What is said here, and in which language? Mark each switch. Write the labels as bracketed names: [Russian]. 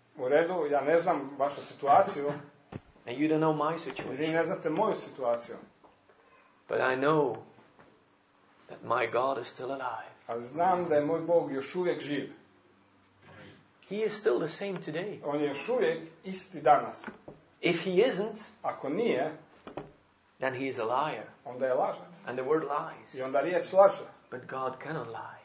[Croatian] U redu, ja ne znam vašu situaciju. [English] And you don't know my situation. [Croatian] Vi ne znate moju situaciju. [English] But I know that my God is still alive. [Croatian] Ali znam da je moj Bog još uvijek živ. [English] He is still the same today. [Croatian] On je još uvijek isti danas. [English] If he isn't, [Croatian] ako nije, [English] then he is a liar. [Croatian] Onda je lažat. [English] And the word lies. [Croatian] I onda riječ laže. [English] But God cannot lie.